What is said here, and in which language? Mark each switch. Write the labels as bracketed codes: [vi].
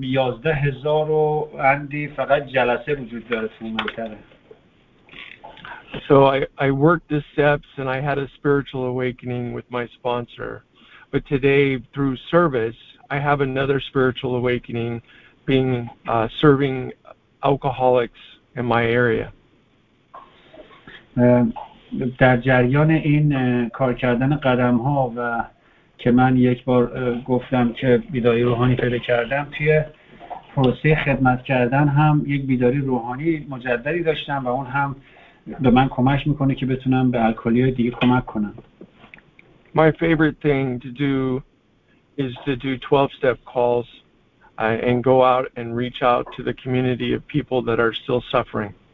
[fa] 11,000 و اندی فقط جلسه وجود داره توی منطقه. [en] So I worked the steps and I had a spiritual awakening with my sponsor. But today, through service, I have another spiritual awakening, being serving alcoholics in my area. [fa] در جریان این کار کردن قدم ها و که من یک بار گفتم که بیداری روحانی پیدا کردم، توی پروسه خدمت کردن هم یک بیداری روحانی مجددی داشتم و اون هم به من کمک میکنه که بتونم به الکلی های دیگه کمک کنم. [en] My favorite thing to do is to do 12-step calls and go out and reach out to the community of people that are still suffering.